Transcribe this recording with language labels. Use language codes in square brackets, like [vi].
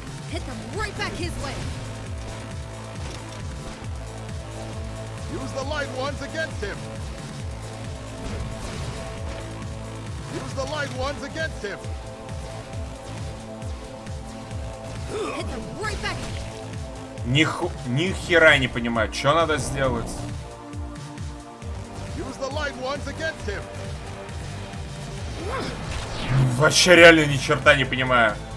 [en] Hit them right back his way. Use the light ones against him. Use the light ones against him. Hit them right back. [ru] Нихера не понимаю, что надо сделать. [en] Use the light ones against him. [ru] Вообще реально ни черта не понимаю.